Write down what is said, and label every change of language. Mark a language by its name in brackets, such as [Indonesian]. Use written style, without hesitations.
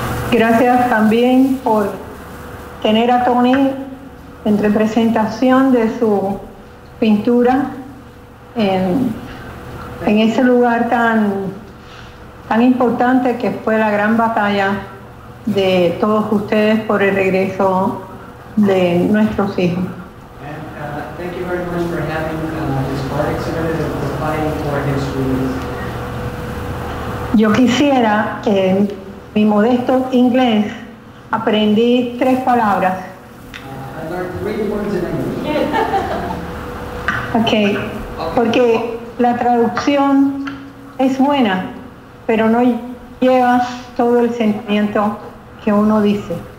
[Spanish] Gracias también por tener a Tony en representación de su pintura en ese lugar tan importante que fue la gran batalla de todos ustedes por el regreso de nuestros hijos. [English] Thank you very much for having this art exhibit and for fighting for his dreams. [Spanish] Yo quisiera, en mi modesto inglés, aprendí tres palabras. [English] I learned three words in English. Okay. [Spanish] Porque la traducción es buena, pero no lleva todo el sentimiento que uno dice.